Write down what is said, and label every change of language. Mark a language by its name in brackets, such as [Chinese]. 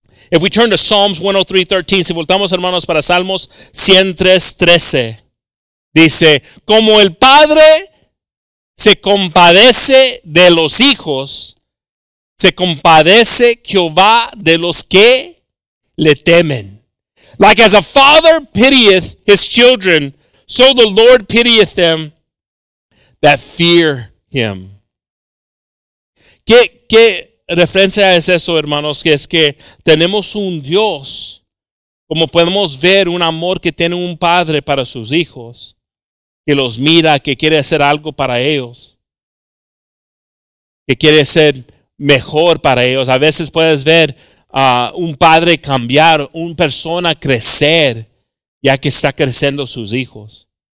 [English] If we turn to Psalms 103:13, [Spanish] si voltamos, hermanos, para Salmos 103:13, dice, como el padre se compadece de los hijos, se compadece Jehová de los que le temen. [English] Like as a father pitieth his children, so the Lord pitieth them that fear him. [Spanish] ¿Qué referencia es eso, hermanos? Que es que tenemos un Dios, como podemos ver un amor que tiene un padre para sus hijos, que los mira, que quiere hacer algo para ellos, que quiere ser mejor para ellos. A veces puedes ver a un padre cambiar, una persona crecer, ya que está creciendo sus hijos.